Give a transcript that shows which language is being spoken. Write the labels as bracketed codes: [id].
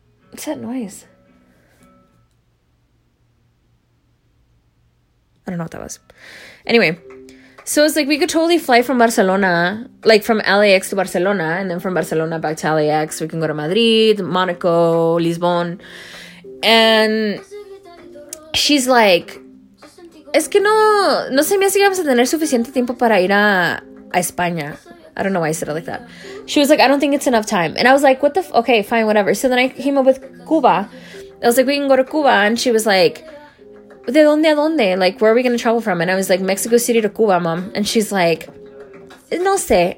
[en] What's that noise? I don't know what that was. Anyway, so it's like, we could totally fly from Barcelona, like, from LAX to Barcelona, and then from Barcelona back to LAX. We can go to Madrid, Monaco, Lisbon. And she's like, [es] es que no se me hace que vamos a tener suficiente tiempo para ir a España. [en] I don't know why I said it like that. She was like, I don't think it's enough time. And I was like, okay, fine, whatever. So then I came up with Cuba. I was like, we can go to Cuba. And she was like, [es] de donde a donde? [en] Like, where are we going to travel from? And I was like, Mexico City to Cuba, mom. And she's like, [es] no sé.